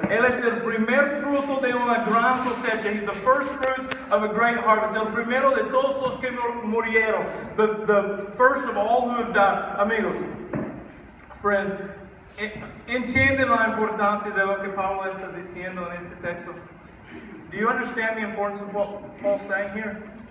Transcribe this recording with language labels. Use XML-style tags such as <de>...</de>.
<es>Él es el primer fruto de una gran cosecha.</es> <en>He's the first fruits of a great harvest.</en> <es>El primero de todos los que murieron.</es> <en>The first of all who have died.</en> <es>Amigos,</es> <en>friends,</en> <es>¿entienden la importancia de lo que Pablo está diciendo en este texto?</es> <en>Do you understand the importance of what Paul's saying here?</en>